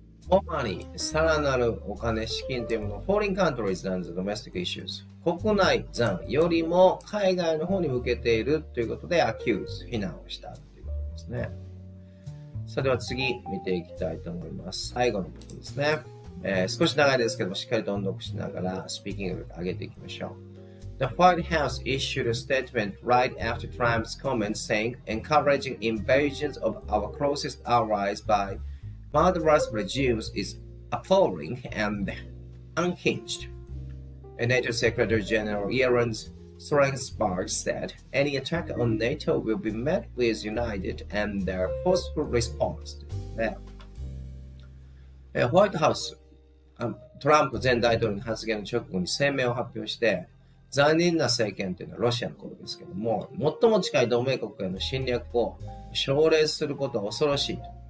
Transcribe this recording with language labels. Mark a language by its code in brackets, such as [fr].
[ja] モーマニー、さらなるお金、資金というもの、フォーリンカントリーズ、ザンズ、ドメスティックイシューズ、国内ザンよりも海外の方に向けているということで、アキューズ、非難をした。ですね。それでは次見ていきたいと思います。最後の部分ですね、少し長いですけどもしっかりと音読しながらスピーキング力上げていきましょう。 [en] The White House issued a statement right after Trump's comments saying encouraging invasions of our closest allies by murderous regimes is appalling and unhinged. NATO Secretary General Jens Strange Sparks said, any attack on NATO will be met with united and their forceful response. Yeah. [ja] ホワイトハウス、トランプ前大統領の発言の直後に声明を発表して、残忍な政権というのはロシアのことですけども、最も近い同盟国への侵略を奨励することは恐ろしいと。